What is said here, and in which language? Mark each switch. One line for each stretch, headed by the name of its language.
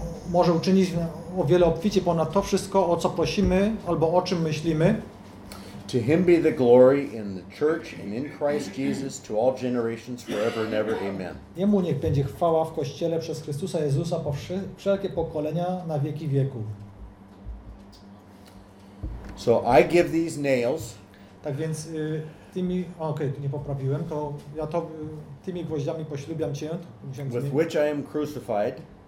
Polish: Może uczynić o wiele obficie ponad to wszystko, o co prosimy albo o czym myślimy.
English: To him be the glory in the church and in Christ Jesus to all generations forever and ever. Amen.
Polish: Jemu niech będzie chwała w Kościele przez Chrystusa Jezusa po wszelkie pokolenia na wieki wieków.
English: So I give these nails.
Polish: Tak więc tymi, okej, okay, nie poprawiłem, to ja to tymi gwoździami poślubiam cię.
English: With which I am crucified.